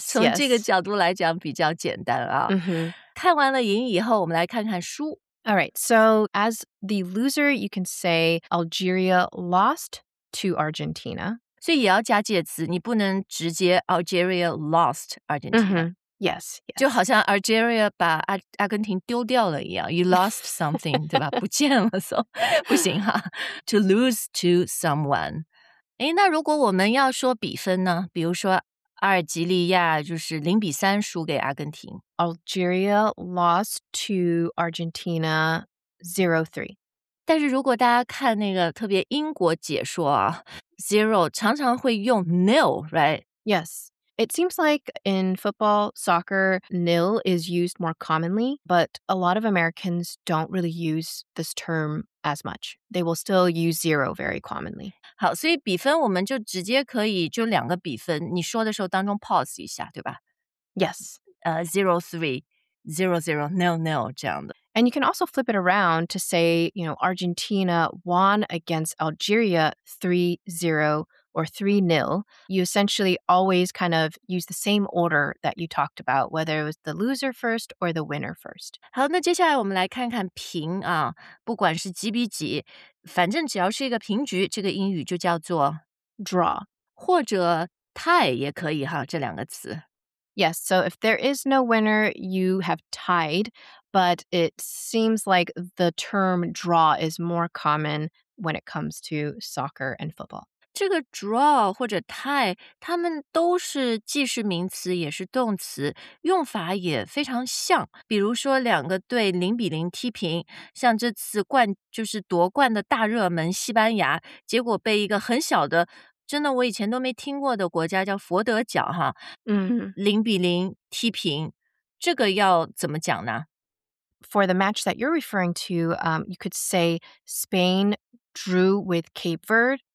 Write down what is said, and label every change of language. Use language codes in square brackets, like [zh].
[zh] 从这个角度来讲比较简单啊。 Mm-hmm. 看完了赢以后，我们来看看输。 [en] All right, so as the loser, you can say Algeria lost to Argentina. [zh] 所以也要加介词，你不能直接 [en] Algeria lost Argentina.、 Mm-hmm. Yes, yes. [zh] 就好像 Algeria 把阿根廷丢掉了一样 ， [en] you lost something， [zh] 对吧？不见了 ，so 不行哈。 [en] To lose to someone. [zh] 哎，那如果我们要说比分呢？比如说。阿尔及利亚就是零比三输给阿根廷。 [en] Algeria lost to Argentina 0-3. [zh] 但是如果大家看那个特别英国解说啊 ，zero 常常会用 nil, [en] right? Yes. It seems like in football, soccer, nil is used more commonly, but a lot of Americans don't really use this term as much. They will still use zero very commonly. [zh] 好，所以比分我们就直接可以就两个比分，你说的时候当中 pause 一下，对吧 [en] ？Yes. [zh] 0-3, 0-0, nil nil 这样的。 [en] And you can also flip it around to say, you know, Argentina won against Algeria 3-0. Or 3-0, you essentially always kind of use the same order that you talked about, whether it was the loser first or the winner first. [zh] 好，那接下来我们来看看平啊，不管是几比几，反正只要是一个平局，这个英语就叫做 [en] draw, [zh] 或者 tie 也可以哈，这两个词。 [en] Yes, so if there is no winner, you have tied, but it seems like the term draw is more common when it comes to soccer and football. [zh] 这个 draw 或者 tie 它们都是既是名词也是动词用法也非常像比如说两个队零比零踢平像这次冠就是夺冠的大热门西班牙结果被一个很小的真的我以前都没听过的国家叫佛得角哈嗯零比零踢平这个要怎么讲呢 [en] For the match that you're referring to, you could say Spain drew with Cape Verde.